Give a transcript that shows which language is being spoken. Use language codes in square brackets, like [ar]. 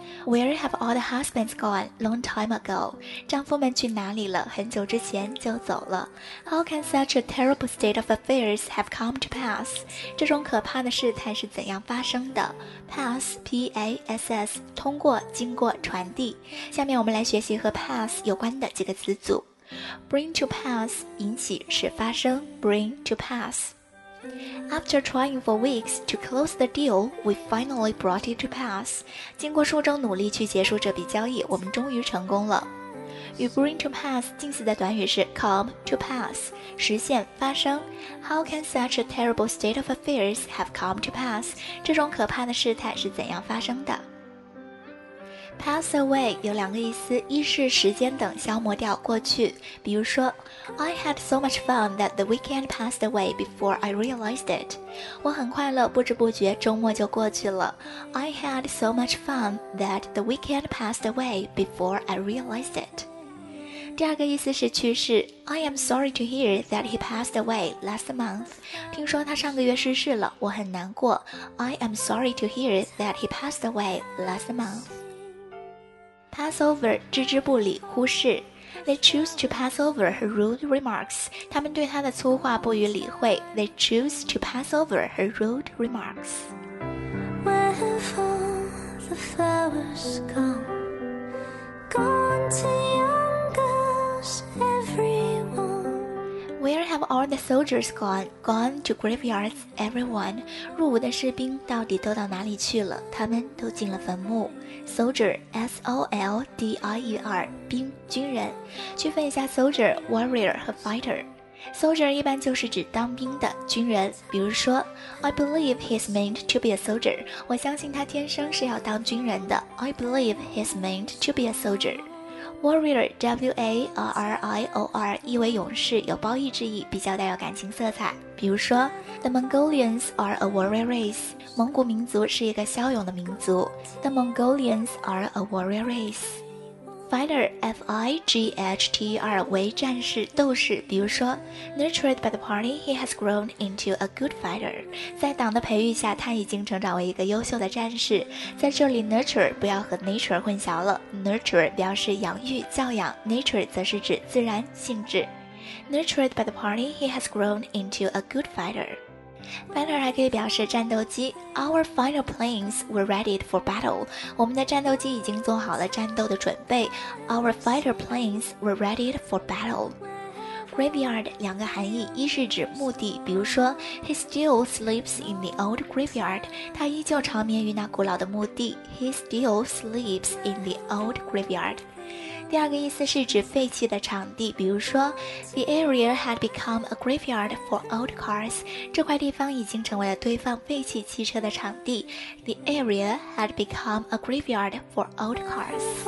[en] Where have all the husbands gone? Long time ago. [zh] 丈夫们去哪里了？很久之前就走了。 [en] How can such a terrible state of affairs have come to pass? [zh] 这种可怕的事态是怎样发生的？Pass, P-A-S-S, 通过、经过、传递。下面我们来学习和 pass 有关的几个词组。 [en] Bring to pass, [zh] 引起、使发生。 [en] Bring to pass. After trying for weeks to close the deal, we finally brought it to pass. [zh] 经过数周努力去结束这笔交易，我们终于成功了。与 bring to pass 近似的短语是 come to pass, 实现、发生。 [en] How can such a terrible state of affairs have come to pass? [zh] 这种可怕的事态是怎样发生的？ [en] Pass away [zh] 有两个意思，一是时间等消磨掉过去，比如说 [en] I had so much fun that the weekend passed away before I realized it. [zh] 我很快乐，不知不觉周末就过去了。 [en] I had so much fun that the weekend passed away before I realized it. [zh] 第二个意思是去世， [en] I am sorry to hear that he passed away last month. [zh] 听说他上个月逝世了，我很难过。 [en] I am sorry to hear that he passed away last month. [zh] Pass over, 置之不理，忽视。 [en] They choose to pass over her rude remarks. [zh] 他们对她的粗话不予理会。 [en] They choose to pass over her rude remarks. Where have all the flowers gone? Gone to young girls, everyone. Where have all the soldiers gone? Gone to graveyards, everyone. [zh] 入伍的士兵到底都到哪里去了？他们都进了坟墓。 Soldier, S-O-L-D-I-E-R, 兵、军人。区分一下 soldier, warrior 和 fighter。 Soldier 一般就是指当兵的军人，比如说 [en] I believe he's meant to be a soldier. [zh] 我相信他天生是要当军人的。 [en] I believe he's meant to be a soldier. [zh] Warrior, W-A-R-R-I-O-R, 意为勇士，有褒义之意，比较带有感情色彩。比如说 [en] The Mongolians are a warrior race. [zh] 蒙古民族是一个骁勇的民族。 [en] The Mongolians are a warrior race. [zh] Fighter, F-I-G-H-T-E-R, 为战士、斗士。比如说 [en] Nurtured by the party, he has grown into a good fighter. [zh] 在党的培育下，他已经成长为一个优秀的战士。在这里 nurture 不要和 nature 混淆了。Nurture 表示养育、教养， nature 则是指自然、性质。 [en] Nurtured by the party, he has grown into a good fighter. [zh] Fighter 还可以表示战斗机。 [en] Our fighter planes were ready for battle. [zh] 我们的战斗机已经做好了战斗的准备。 [en] Our fighter planes were ready for battle. [zh] Graveyard 两个含义，一是指墓地，比如说 [en] He still sleeps in the old graveyard. [zh] 他依旧长眠于那古老的墓地。 [en] He still sleeps in the old graveyard. [zh] 第二个意思是指废弃的场地，比如说 [en] The area had become a graveyard for old cars. [zh] 这块地方已经成为了堆放废弃汽车的场地。 [en] The area had become a graveyard for old cars.